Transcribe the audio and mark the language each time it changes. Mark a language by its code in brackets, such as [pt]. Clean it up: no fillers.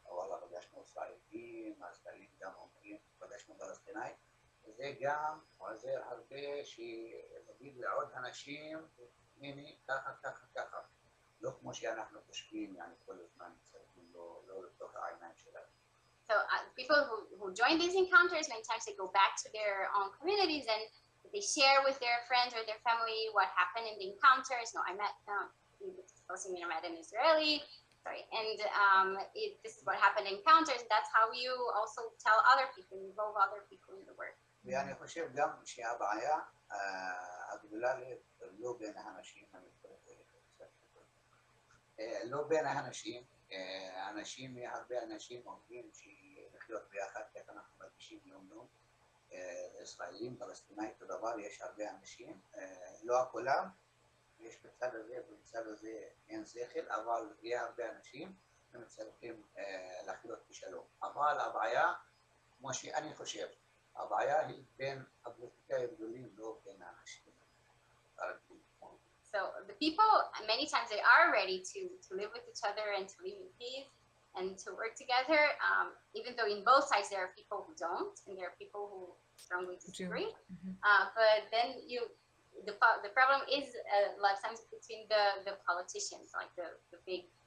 [he] אבל פגשנו ספרדים, הספרדים גם אומרים, פגשנו פלסטינאים, וזה גם עוזר הרבה שנגיד לעוד אנשים, הנה, ככה, ככה, ככה. לא כמו שאנחנו חושבים, אני כל הזמן צריכים לא לתוך העיניים שלנו. [en] So people who join these encounters, many times they go back to their own communities and they share with their friends or their family what happened in the encounters. No, I met them. I met an Israeli. Sorry, and this is what happened in encounters. That's how you also tell other people, involve other people in the work. [he] ואני חושב גם שהבעיה הגדולה לא בין האנשים, אנשים, הרבה אנשים אומרים שלחיות ביחד, כך אנחנו מרגישים יום-יום. ישראלים, פלסטינאים, אותו דבר, יש הרבה אנשים, לא הכולם, יש בצד הזה, בצד הזה אין זכר, אבל יהיה הרבה אנשים שמצליחים לחיות בשלום. אבל הבעיה, כמו שאני חושב, הבעיה היא בין הפוליטיקאים הגדולים, לא בין האנשים. [en] So the people, many times they are ready to live with each other and to live in peace and to work together, even though in both sides there are people who don't and there are people who strongly disagree. But then the problem is lifetimes between the politicians, like the big